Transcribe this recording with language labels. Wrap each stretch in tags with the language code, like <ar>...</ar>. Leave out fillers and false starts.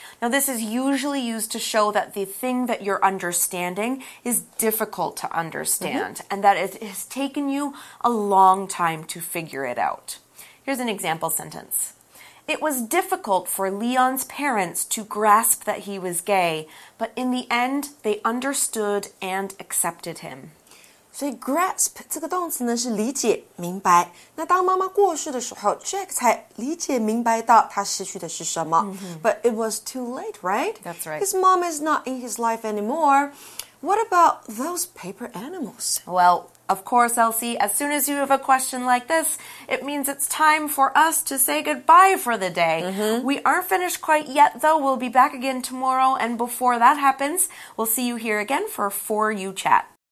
<en>Now, this is usually used to show that the thing that you're understanding is difficult to understand,、mm-hmm. and that it has taken you a long time to figure it out. Here's an example sentence. It was difficult for Leon's parents to grasp that he was gay, but in the end, they understood and accepted him.</en> <zh>所以 grasp 这个动词呢是理解、明白。那当妈妈过世的时候 ，Jack 才理解、明白到他失去的是什么。</zh> <en>Mm-hmm. But it was too late, right? That's right. His mom is not in his life anymore. What about those paper animals? Well, of course, Elsie. As soon as you have a question like this, it means it's time for us to say goodbye for the day. Mm-hmm. We aren't finished quite yet, though. We'll be back again tomorrow, and before that happens, we'll see you here again for a For You chat.</en>